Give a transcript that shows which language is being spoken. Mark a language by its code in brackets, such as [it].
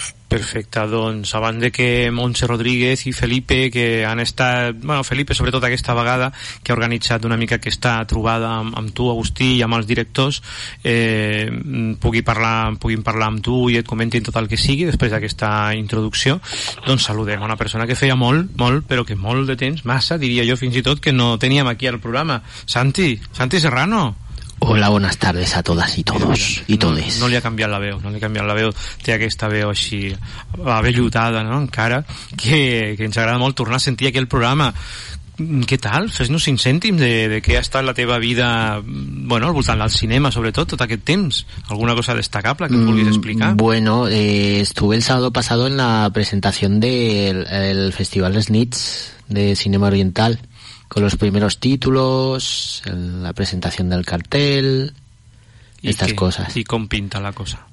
[ca] Perfecte, doncs, abans de que Montse Rodríguez i Felipe, que han estat, bueno, Felipe sobretot aquesta vegada, que ha organitzat una mica aquesta trobada amb tu, Agustí, i amb els directors, puguin parlar amb tu i et comentin tot el que sigui després d'aquesta introducció, doncs saludem una persona que feia molt, però que molt de temps, massa, diria jo fins i tot, que no teníem aquí al programa. Santi Serrano. [es] Hola, buenas tardes a todas y todos y todes. [ca] No, no li ha canviat la veu, no li ha canviat la veu. Té aquesta veu així, avellutada, no? Encara, que ens agrada molt tornar a sentir aquell programa. Què tal? Fes-nos 5 cèntims de què ha estat la teva vida, bueno, al voltant del cinema, sobretot, tot aquest temps. Alguna cosa destacable que vulguis explicar? [es] Bueno, estuve el sábado pasado en la presentación del Festival Snitz de Cinema Oriental. Con los primeros títulos, la presentación del cartel, estas cosas. ¿Y cómo pinta la cosa?